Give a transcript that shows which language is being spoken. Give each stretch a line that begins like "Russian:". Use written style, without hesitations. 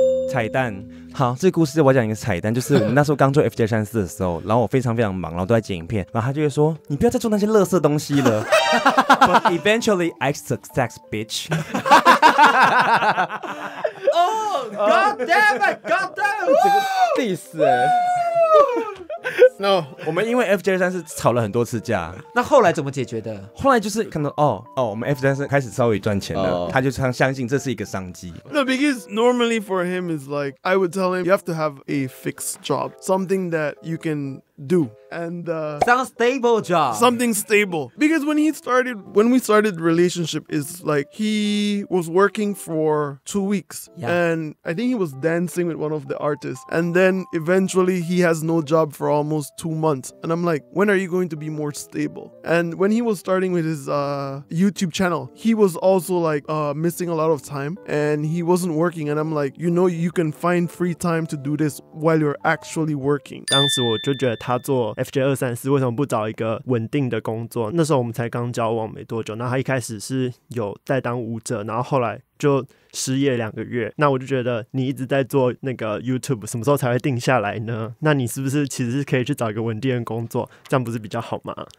Chinese: 彩蛋，好，这个故事我讲一个彩蛋，就是我们那时候刚做 FJ34 的时候，然后我非常非常忙，然后都在剪影片，然后他就会说，你不要再做那些垃圾东西了。
English: But eventually I success, bitch. Oh, God damn it, God damn it.
Chinese: 这个 diss 哎。
English: No，
Chinese: 我们因为 FJ 三是吵了很多次架。那后来怎么解决的？后来就是看到哦，我们 FJ 三开始稍微赚钱了， oh. 他就相信这是一个商机。
English: No， because normally for him is like I would tell him you have to have a fixed job， something that you can do。 And sounds stable job. Something stable. Because when we started the relationship, is like he was working for 2 weeks. Yeah. And I think he was dancing with one of the artists. And then eventually he has no job for almost 2 months. And I'm like, when are you going to be more stable? And when he was starting with his YouTube channel, he was also like missing a lot of time and he wasn't working. And I'm like, you know, you can find free time to do this while you're actually working.
Chinese: 当时我就觉得他做FJ234 为什么不找一个稳定的工作？那时候我们才刚交往没多久，那他一开始是有在当舞者，然后后来就失业两个月，那我就觉得你一直在做那个 YouTube， 什么时候才会定下来呢？那你是不是其实是可以去找一个稳定的工作，这样不是比较好吗？